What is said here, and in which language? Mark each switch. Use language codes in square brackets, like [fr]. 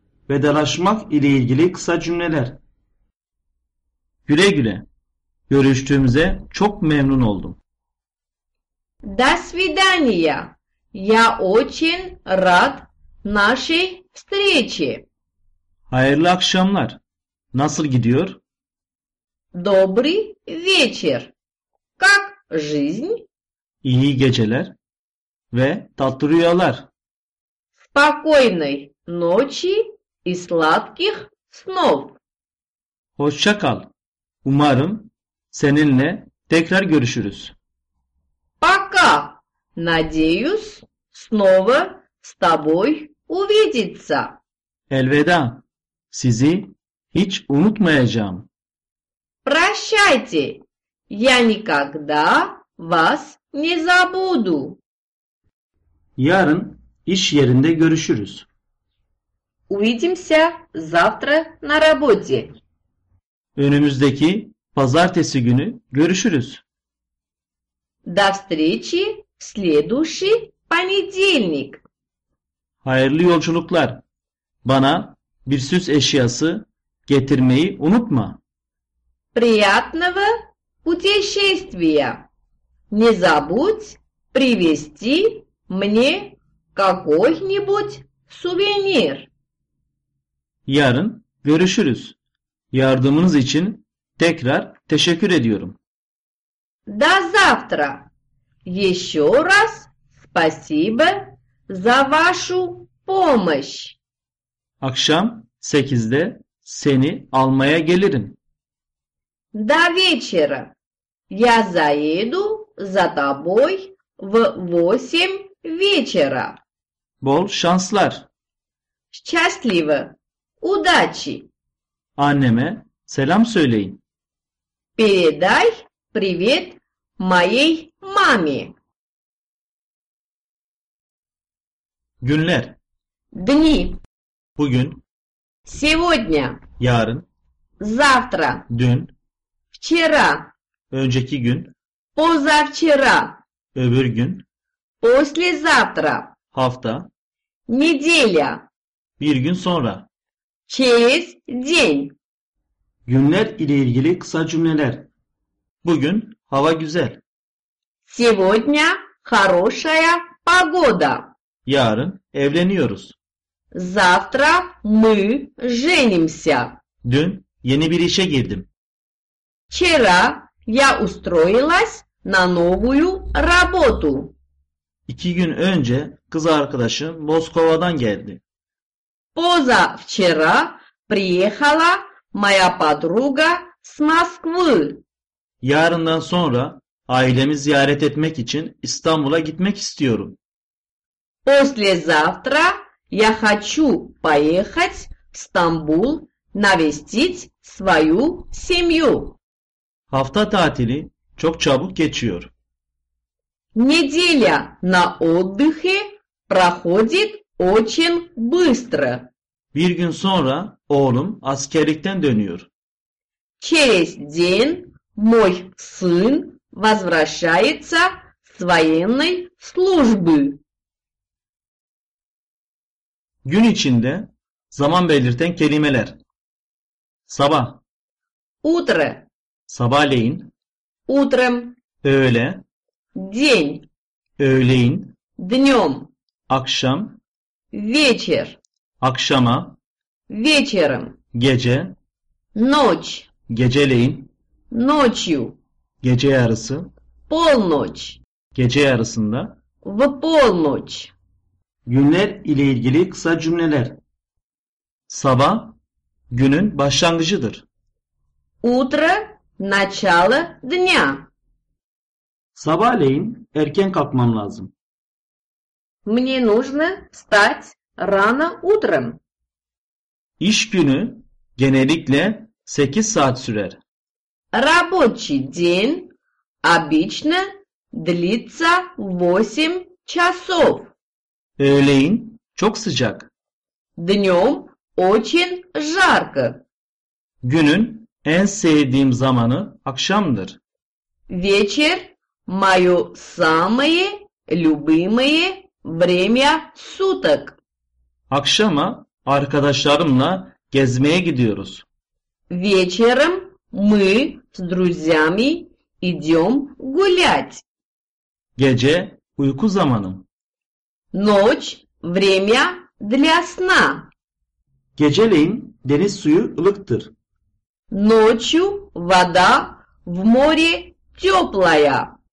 [tr] Vedalaşmak ile ilgili kısa cümleler. Güle güle. Görüştüğümüze çok memnun oldum. [ru] До свидания. Я очень рад нашей встрече. [tr] Hayırlı akşamlar. Nasıl gidiyor? [ru] Добрый вечер. Как жизнь? [tr] İyi geceler ve tatlı rüyalar. [ru] Спокойной ночи и сладких снов. [tr] Hoşça kal. Umarım seninle tekrar görüşürüz. [ru] Пока. Надеюсь, снова с тобой увидеться. [tr] Elveda. Sizi hiç unutmayacağım. [ru] Прощайте. Я никогда вас не забуду. [tr] Yarın iş yerinde görüşürüz. [ru] Увидимся завтра на работе. [tr] Önümüzdeki pazartesi günü görüşürüz. [ru] До встречи в следующий понедельник. [tr] Hayırlı yolculuklar. Bana bir süs eşyası getirmeyi unutma. [ru] Приятного путешествия. Не забудь привезти мне какой-нибудь сувенир. [tr] Yarın görüşürüz. Yardımınız için tekrar teşekkür ediyorum. [ru] До завтра. Еще раз спасибо за вашу помощь. [tr] Akşam 8'de seni almaya gelirim. [ru] До вечера. Я заеду за тобой в 8 вечера. [tr] Бол шанслар. [ru] Счастливо. Удачи. [tr] Anneme selam söyleyin. [ru] Передай привет моей маме. [tr] Günler. [ru] Дни. [tr] Bugün. [ru] Сегодня. [tr] Yarın. [ru] Завтра. [tr] Dün. [ru] Вчера. [tr] Önceki gün. [ru] Позавчера. [tr] Öbür gün. [ru] Послезавтра. [tr] Hafta. [ru] Неделя. [tr] Bir gün sonra. [ru] Через день. [tr] Günler ile ilgili kısa cümleler. Bugün hava güzel. [ru] Сегодня хорошая погода. [tr] Yarın evleniyoruz. [ru] Завтра мы женимся. [tr] Dün yeni bir işe girdim. [ru] Вчера я устроилась на новую работу. [tr] İki gün önce kız arkadaşım Moskova'dan geldi. [ru] Позавчера приехала моя подруга с Москвы. [tr] Yarından sonra ailemi ziyaret etmek için İstanbul'a gitmek istiyorum. [ru] Послезавтра я хочу поехать в Стамбул навестить свою семью. [tr] Hafta tatili çok çabuk geçiyor. [ru] Неделя на отдыхе проходит очень быстро. [tr] Bir gün sonra oğlum askerlikten dönüyor. [ru] Через день мой сын возвращается с военной службы. [tr] Gün içinde zaman belirten kelimeler. Sabah. [ru] Утро. [tr] Sabahleyin. [ru] Утром. [tr] Öğle. [ru] День. [tr] Öğleyin. [ru] Днем. [tr] Akşam. [ru] Вечер. [tr] Akşama. [ru] Вечером. [tr] Gece. [ru] Ночь. [tr] Geceleyin. [ru] Ночью. [tr] Gece yarısı. [ru] Полночь. [tr] Gece yarısında. [ru] В полночь. [tr] Günler ile ilgili kısa cümleler. Sabah günün başlangıcıdır. [ru] Утро начало дня. [tr] Sabahleyin erken kalkmam lazım. [ru] Мне нужно встать рано утром. [tr] İş günü genellikle 8 saat sürer. [ru] Рабочий день обычно длится 8 часов. [tr] Öğleyin çok sıcak. [ru] Днём очень жарко. [tr] Günün en sevdiğim zamanı akşamdır. [ru] Вечер моё самое любимое время суток. [tr] Akşama arkadaşlarımla gezmeye gidiyoruz. [ru] Вечером мы с друзьями идём гулять. [tr] Gece uyku zamanı. [ru] Ночь время для сна. [tr] Geceleyin deniz suyu ılıktır. [ru] Ночью вода в море тёплая.